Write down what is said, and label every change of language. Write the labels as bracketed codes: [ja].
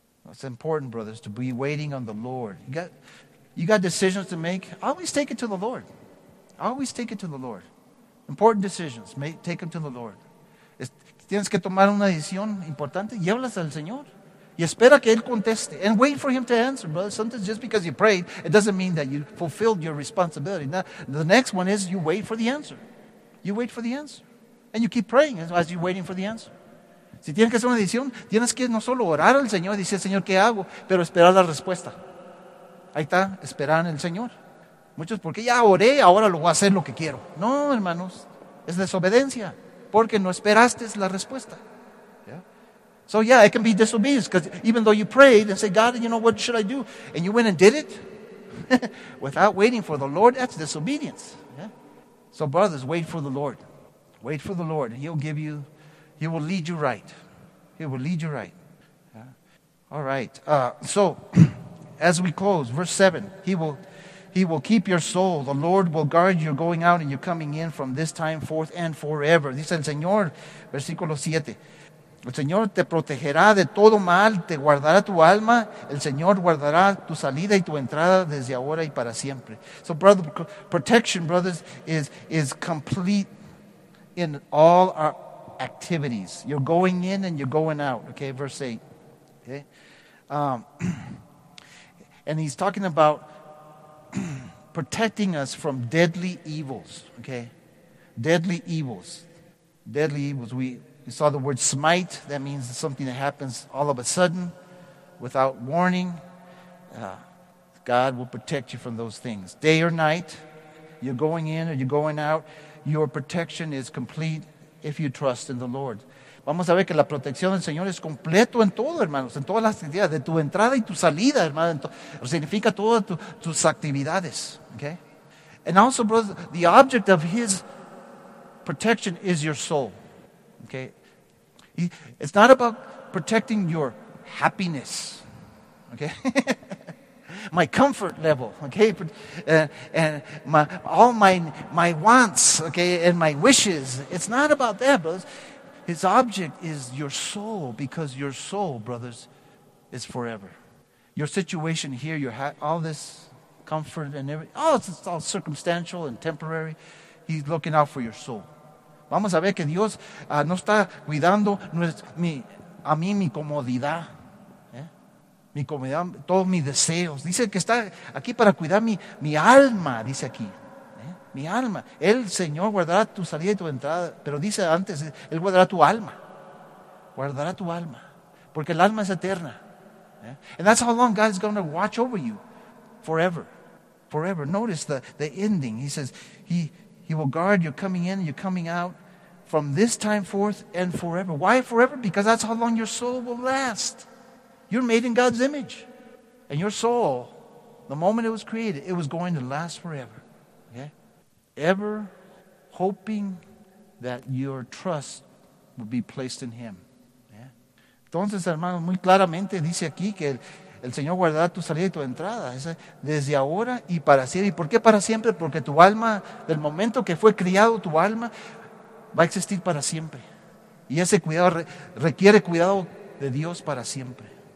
[en] It's important, brothers, to be waiting on the Lord. You got decisions to make, always take it to the Lord. Always take it to the Lord. Important decisions, take them to the Lord. [es] tienes que tomar una decisión importante, llévalas al Señor. Y espera que Él conteste. [en] And wait for Him to answer, brother. Sometimes just because you prayed, it doesn't mean that you fulfilled your responsibility. Now, the next one is you wait for the answer. You wait for the answer. And you keep praying as you're waiting for the answer. [es] Si tienes que hacer una decisión, tienes que no solo orar al Señor y decir, Señor, ¿qué hago? Pero esperar la respuesta. Ahí está, esperar en el Señor. Muchos, porque ya oré, ahora lo voy a hacer lo que quiero. No, hermanos, es desobediencia. Porque no esperaste la respuesta. [en] So yeah, it can be disobedience, because even though you prayed and said, God, you know, what should I do? And you went and did it without waiting for the Lord, that's disobedience. Yeah? So brothers, wait for the Lord. Wait for the Lord. He'll give you, He will lead you right. He will lead you right. Yeah? All right. So as we close, verse 7, He will keep your soul. The Lord will guard your going out and your coming in from this time forth and forever. [es] Dice el Señor, versículo 7. El Señor te protegerá de todo mal, te guardará tu alma, el Señor guardará tu salida y tu entrada desde ahora y para siempre. [en] So, brother, protection, brothers, is complete in all our activities. You're going in and you're going out, okay, verse 8. Okay? And he's talking about protecting us from deadly evils, okay? Deadly evils. Deadly evils, You saw the word smite. That means something that happens all of a sudden without warning. God will protect you from those things. Day or night, you're going in or you're going out. Your protection is complete if you trust in the Lord. [es] Vamos a ver que la protección del Señor es completo en todo, hermanos. En todas las actividades, de tu entrada y tu salida, hermano. Significa todas tus actividades. Okay? [en] And also, brother, the object of His protection is your soul. Okay? It's not about protecting your happiness, okay? My comfort level, okay? And all my wants, okay? And my wishes. It's not about that, brothers. His object is your soul, because your soul, brothers, is forever. Your situation here, all this comfort and everything, oh, it's all circumstantial and temporary. He's looking out for your soul. [es] Vamos a ver que Dios no está cuidando mi comodidad. ¿Eh? Mi comodidad, todos mis deseos. Dice que está aquí para cuidar mi alma, dice aquí. ¿Eh? Mi alma. El Señor guardará tu salida y tu entrada. Pero dice antes, Él guardará tu alma. Guardará tu alma. Porque el alma es eterna. ¿Eh? [en] And that's how long God is going to watch over you. Forever. Forever. Notice the ending. He says, He will guard your coming in and your coming out from this time forth and forever. Why forever? Because that's how long your soul will last. You're made in God's image. And your soul, the moment it was created, it was going to last forever. Okay? Ever hoping that your trust will be placed in Him. Yeah? [es] Entonces, hermanos, muy claramente dice aquí que el Señor guardará tu salida y tu entrada. Desde ahora y para siempre. ¿Y por qué para siempre? Porque tu alma, del momento que fue criado tu alma, va a existir para siempre. Y ese cuidado requiere cuidado de Dios para siempre.